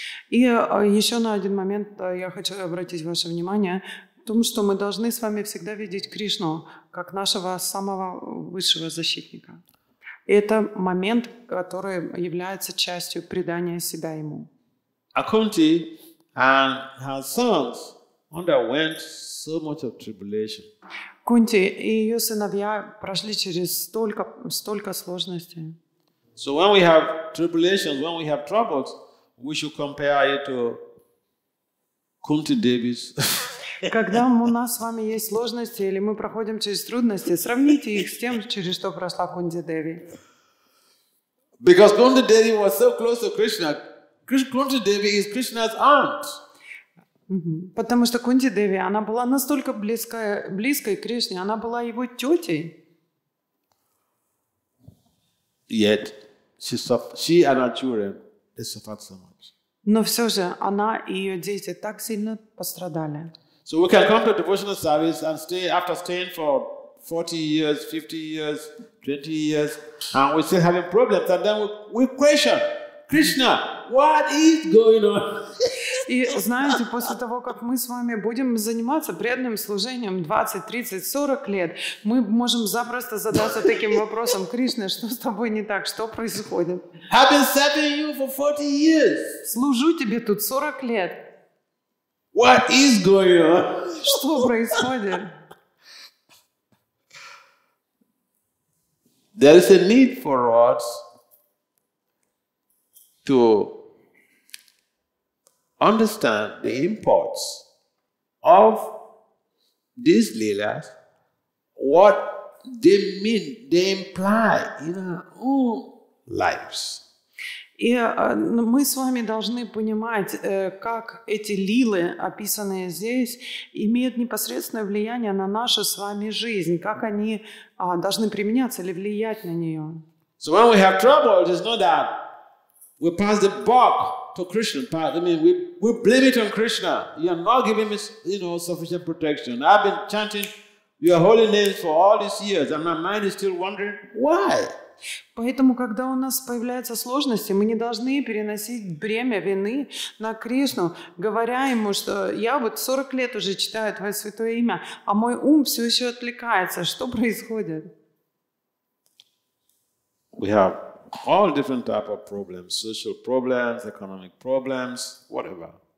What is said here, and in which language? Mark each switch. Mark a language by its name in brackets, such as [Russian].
[Russian] И еще на один момент я хочу обратить ваше внимание в том, что мы должны с вами всегда видеть Кришну как нашего самого высшего защитника. И это момент, который является частью предания себя Ему. [English] Акунти and her sons underwent so much of tribulation. [Russian] Кунти и ее сыновья прошли через столько сложностей. [English] So when we have tribulations, when we have troubles, we should compare it to Kunti Devi's. [Russian] Когда у нас с вами есть сложности или мы проходим через трудности, сравните их с тем, через что прошла Кунти Деви. [English] Because Kunti Devi was so close to Krishna. Kunti Devi is Krishna's aunt. [Russian] Потому что Кунти Деви, она была настолько близкой к Кришне, она была его тетей. [English] Yet she and her children, they suffered so much. [Russian] Но все же она и ее дети так сильно пострадали. [English] So we can come to devotional service and stay after staying for 40 years, 50 years, 20 years, and we still having problems, and then we question, Krishna, what is going on? [Russian] И знаете, после того, как мы с вами будем заниматься преданным служением 20, 30, 40 лет, мы можем запросто задаться таким вопросом, Кришна, что с тобой не так, что происходит? [English] I've been serving you for 40 years. [Russian] Служу тебе тут 40 лет. [English] What is going on? [Russian] Что происходит? [English] There is a need for us to understand the imports of these leelas, what they mean, they imply in our own lives. [Russian] И мы с вами должны понимать, как эти лилы, описанные здесь, имеют непосредственное влияние на нашу с вами жизнь, как они должны применяться или влиять на нее. [English] So when we have trouble, it is not that we pass the buck to Krishna. I mean, we blame it on Krishna. You are not giving me, you know, sufficient protection. I've been chanting your holy names for all these years, and my mind is still wondering why. [Russian] Поэтому, когда у нас появляются сложности, мы не должны переносить бремя вины на Кришну, говоря ему, что я вот 40 лет уже читаю твое святое имя, а мой ум все еще отвлекается. Что происходит? [English] We have all different type of problems, social problems, economic problems, whatever.